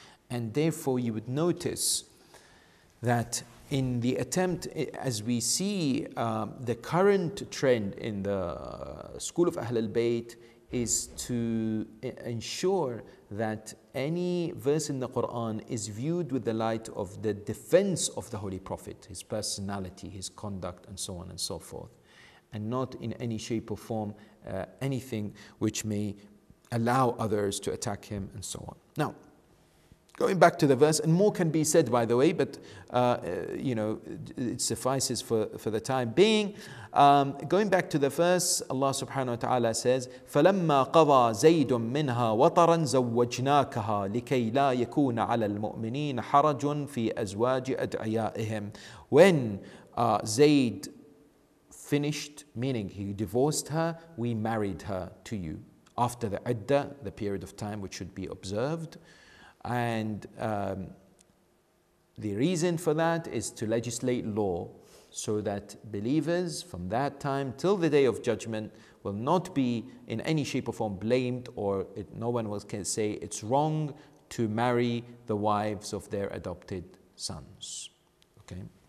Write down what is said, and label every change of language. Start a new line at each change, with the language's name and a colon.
English: And therefore, you would notice that in the attempt, as we see the current trend in the school of Ahlul Bayt, is to ensure that any verse in the Quran is viewed with the light of the defense of the Holy Prophet, his personality, his conduct, and so on and so forth, and not in any shape or form anything which may allow others to attack him and so on. Now, going back to the verse, and more can be said, by the way, but you know, it suffices for the time being. Going back to the verse, Allah subhanahu wa ta'ala says,
Arabic: فَلَمَّا قَضَى زَيْدٌ مِّنْهَا وَطَرًا زَوَّجْنَاكَهَا لِكَيْ لَا يَكُونَ عَلَى الْمُؤْمِنِينَ حَرَجٌ فِي أَزْوَاجِ أَدْعِيَائِهِمْ.
English: When Zayd finished, meaning he divorced her, we married her to you. After the iddah, the period of time which should be observed, and the reason for that is to legislate law so that believers from that time till the day of judgment will not be in any shape or form blamed, or no one can say it's wrong to marry the wives of their adopted sons. Okay.